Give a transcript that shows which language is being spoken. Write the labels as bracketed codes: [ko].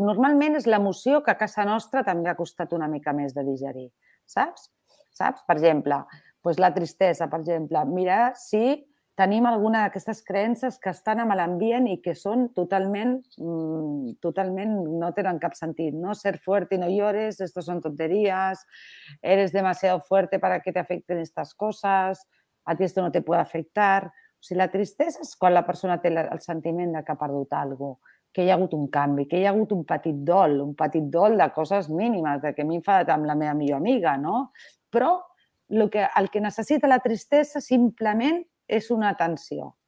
[ca] Normalment és l'emoció que a casa nostra també ha costat una mica més de digerir. Saps? Saps? Per exemple, doncs la tristesa, per exemple. Mira, si tenim alguna d'aquestes creences que estan amb l'ambient i que són totalment no tenen cap sentit. No? [es] Ser fuerte y no llores, esto son tonterías, eres demasiado fuerte para que te afecten estas cosas, a ti esto no te puede afectar. [ca] O sigui, la tristesa és quan la persona té el sentiment de que ha perdut alguna cosa, que hi ha hagut un canvi, que hi ha hagut un petit dol de coses mínimes, de que m'he enfadat amb la meva millor amiga, no? Però el que necessita la tristesa simplement és una atenció.